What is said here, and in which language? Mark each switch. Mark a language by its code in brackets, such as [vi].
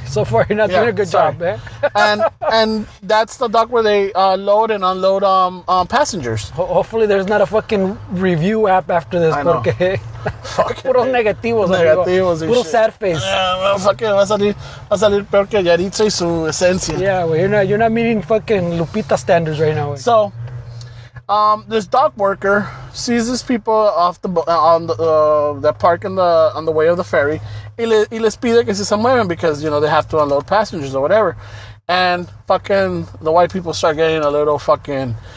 [en] So far, you're not doing a good job, man. And that's the dock where they load and unload passengers. Hopefully, there's not a fucking review app after this. I know. [es] Puros negativos, negativos [en] puro sad face. [es] Yeah, fucking va a salir peor que Yaritza y su esencia. [en] Yeah, well, you're not meeting fucking Lupita standards right now. So, this dock worker sees these people off the on the way of the ferry. [es] Y les pide que se muevan [en] because you know they have to unload passengers or whatever. And fucking the white people start getting a little fucking.